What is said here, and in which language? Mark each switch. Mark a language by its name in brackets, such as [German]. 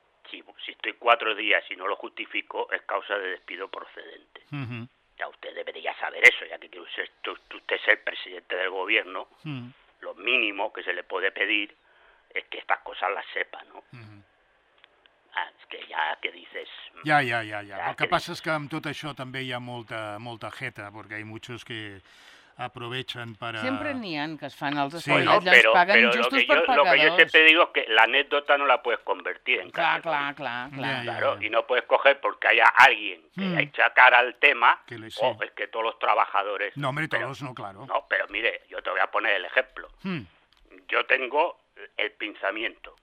[Spanish] Si estoy 4 días y no lo justifico, es causa de despido procedente. Ya usted debería saber eso, ya que quiere usted ser presidente del gobierno. Lo mínimo que se le puede pedir es que estas cosas las sepa, ¿no? Es que ya que dices... Ya. [Catalan] El que pasa es que amb tot això també hi ha molta, molta jeta, [Spanish] porque hay muchos que aprovechan para... [Catalan] Siempre n'hi ha que es fan els espoliats, sí, no, pero, els paguen justos per pagadors. [Spanish] Lo que yo siempre digo es que la anécdota no la puedes convertir en... Claro. Y no puedes coger porque haya alguien que echa cara al tema, que le, es que todos los trabajadores... No, hombre, todos, pero, no, claro. No, pero mire, yo te voy a poner el ejemplo. Yo tengo el pinzamiento.